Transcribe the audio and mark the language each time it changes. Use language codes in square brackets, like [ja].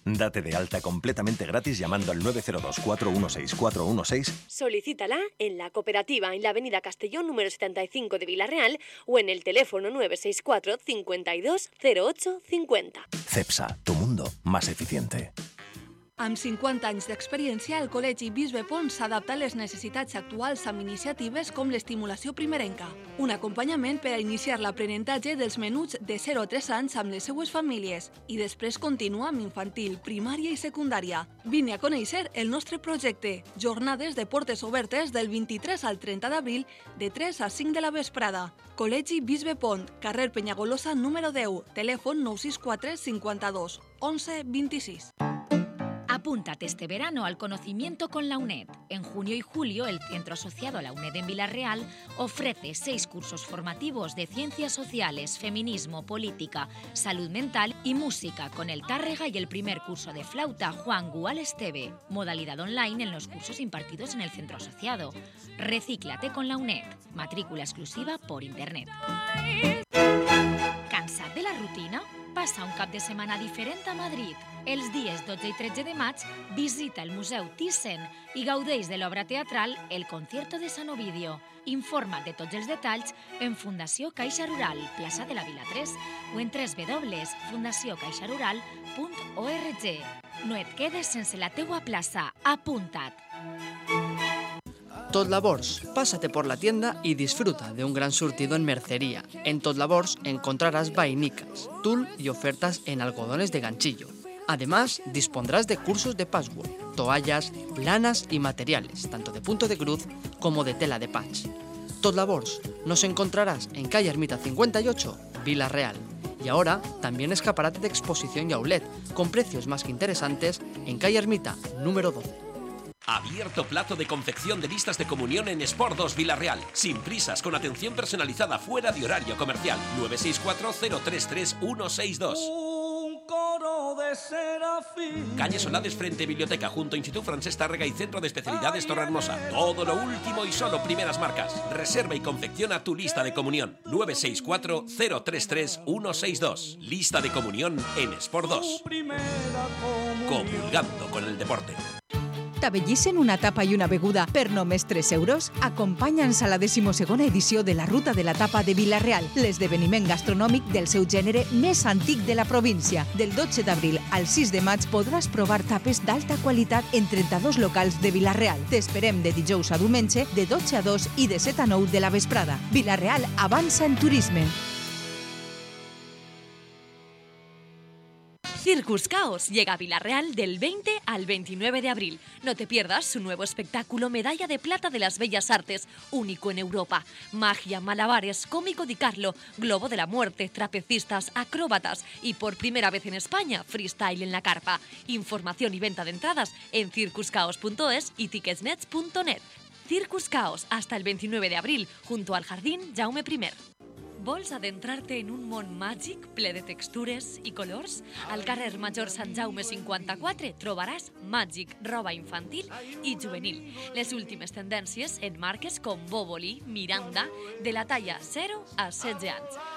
[es] Date de alta completamente gratis llamando al 902-416-416. Solicítala en la cooperativa en la avenida Castellón número 75 de Vila-real o en el teléfono 964-520850. Cepsa, tu mundo más eficiente. [ca] Amb 50 anys d'experiència, el Col·legi Bisbe Pons s'adapta a les necessitats actuals amb iniciatives com l'estimulació primerenca, un acompanyament per a iniciar l'aprenentatge dels menuts de 0 a 3 anys amb les seues famílies i després continua amb infantil, primària i secundària. Vine a conèixer el nostre projecte. Jornades de portes obertes del 23 al 30 d'abril de 3 a 5 de la vesprada. Col·legi Bisbe Pont, carrer Penyagolosa número 10, telèfon 964 52 11 26. Apúntate este verano al conocimiento con la UNED. En junio y julio, el Centro Asociado a la UNED en Vila-real ofrece 6 cursos formativos de ciencias sociales, feminismo, política, salud mental y música con el Tárrega y el primer curso de flauta Juan Gual Esteve, modalidad online en los cursos impartidos en el Centro Asociado. Recíclate con la UNED. Matrícula exclusiva por Internet. ¿Cansat de la rutina? Passa un cap de setmana diferent a Madrid. Els dies 12 i 13 de maig, visita el Museu Thyssen i gaudeix de l'obra teatral El Concierto de San Ovidio. Informa't de tots els detalls en Fundació Caixa Rural, plaça de la Vila 3, o en www.fundaciocaixarural.org. No et quedes sense la teua plaça. Apunta't! [es] Tot Labors, pásate por la tienda y disfruta de un gran surtido en mercería. En Tot Labors encontrarás vainicas, tul y ofertas en algodones de ganchillo. Además, dispondrás de cursos de patchwork, toallas, lanas y materiales, tanto de punto de cruz como de tela de patch. Tot Labors, nos encontrarás en calle Ermita 58, Vila-real. Y ahora, también escaparate de exposición y outlet, con precios más que interesantes, en calle Ermita número 12. Abierto plazo de confección de listas de comunión en Sport 2 Villarreal. Sin prisas, con atención personalizada fuera de horario comercial. 964-033-162. Un coro de serafín. Calle Solades frente Biblioteca, junto a Instituto Francés Tárrega y Centro de Especialidades Torrehermosa. Todo lo último y solo primeras marcas. Reserva y confecciona tu lista de comunión. 964-033-162. Lista de comunión en Sport 2. Comulgando con el deporte. [ca] T'abellís en una tapa i una beguda per només 3 euros? Acompanya'ns a la 12a edició de la Ruta de la Tapa de Vila-real, l'esdeveniment gastronòmic del seu gènere més antic de la província. Del 12 d'abril al 6 de maig podràs provar tapes d'alta qualitat en 32 locals de Vila-real. T'esperem de dijous a diumenge, de 12 a 2 i de 7 a 9 de la vesprada. Vila-real avança en turisme. [es] Circus Caos llega a Villarreal del 20 al 29 de abril. No te pierdas su nuevo espectáculo Medalla de Plata de las Bellas Artes, único en Europa. Magia, malabares, cómico Di Carlo, globo de la muerte, trapecistas, acróbatas y por primera vez en España, freestyle en la carpa. Información y venta de entradas en circuscaos.es y ticketsnets.net. Circus Caos hasta el 29 de abril, junto al Jardín Jaume I. [ca] ¿Vols adentrarte en un món màgic ple de textures i colors? Al carrer Major Sant Jaume 54 trobaràs màgic, roba infantil i juvenil. Les últimes tendències en marques com Bòboli, Miranda, de la talla 0 a 16 anys.